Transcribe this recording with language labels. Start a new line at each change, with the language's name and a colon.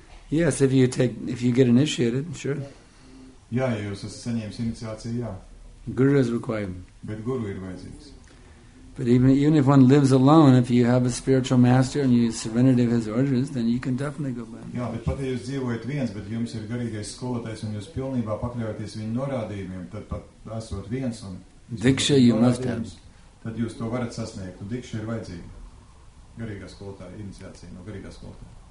English: Yes, if you get initiated, sure.
Latvian: Ja, jūs esat saņēmis iniciāciju, ja.
English: Guru is required.
Latvian: Bet guru ir vajadzīgs.
English: But even if one lives alone, if you have a spiritual master and you surrender to his orders, then you can definitely go back.
Latvian: Ja, bet pat ja jūs dzīvojat viens, bet jums ir garīgais skolotājs un jūs pilnībā pakļaujaties viņa norādījumiem, tad pat esot viens un
English: Diksha, you must have.
Latvian: Tad jūs to varat sasniegt. Diksha ir vajadzīga. Garīgā skolotā iniciācija no garīgā skolotā.